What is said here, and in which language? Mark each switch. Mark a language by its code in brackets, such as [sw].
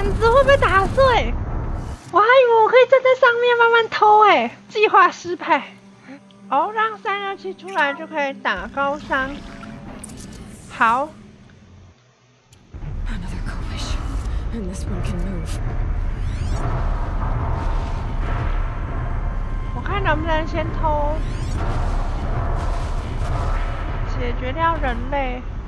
[zh] 会被打碎，我还以为我可以站在上面慢慢偷哎，计划失败。哦，让散热器出来就可以打高伤。好。 [en] Another collision, and this one can move. [zh] 我看能不能先偷，解决掉人类。